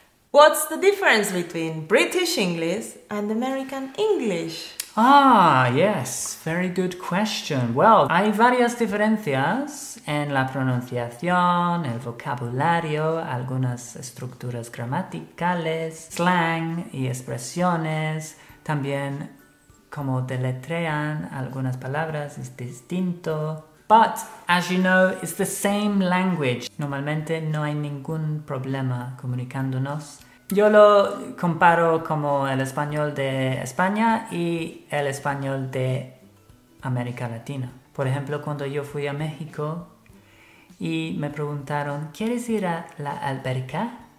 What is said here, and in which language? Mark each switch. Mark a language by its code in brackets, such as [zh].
[en] What's the difference between British English and American English? Ah, yes, very good question. [es] Well, hay varias diferencias en la pronunciación, el vocabulario, algunas estructuras gramaticales, slang y expresiones, también como deletrean algunas palabras, es distinto. [en] But, as you know, it's the same language. [es] Normalmente no hay ningún problema comunicándonos. Yo lo comparo como el español de España y el español de América Latina. Por ejemplo, cuando yo fui a México y me preguntaron, ¿quieres ir a la alberca?